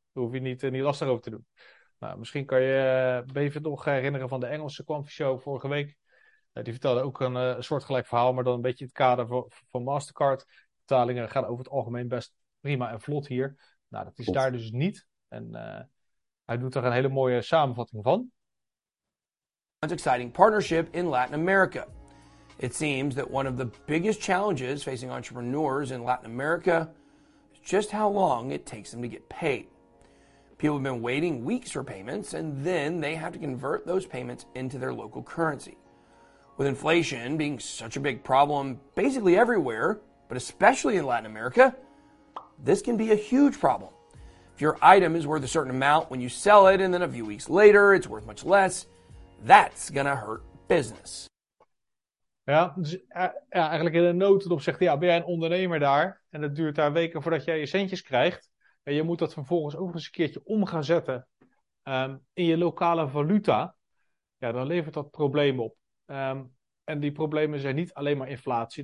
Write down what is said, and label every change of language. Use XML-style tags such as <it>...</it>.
<nl>Daar hoef je niet lastig over te doen. Nou, misschien kan je Beven nog herinneren van de Engelse Quantishow vorige week. Die vertelde ook een soortgelijk verhaal, maar dan een beetje in het kader van Mastercard. Betalingen gaan over het algemeen best prima en vlot hier. Nou, dat is daar dus niet. En hij doet er een hele mooie samenvatting van.</nl> <en>An exciting partnership in Latin America. It seems that one of the biggest challenges facing entrepreneurs in Latin America is just how long it takes them to get paid. People have been waiting weeks for payments, and then they have to convert those payments into their local currency. With inflation being such a big problem basically everywhere, but especially in Latin America, this can be a huge problem. If your item is worth a certain amount when you sell it, and then a few weeks later it's worth much less, that's gonna hurt business.</en> <nl>Ja, dus, ja, eigenlijk in een notendop zegt hij, ja, ben jij een ondernemer daar, en het duurt daar weken voordat jij je centjes krijgt. En je moet dat vervolgens ook eens een keertje om gaan zetten in je lokale valuta. Ja, dan levert dat problemen op. En die problemen zijn niet alleen maar inflatie.</nl>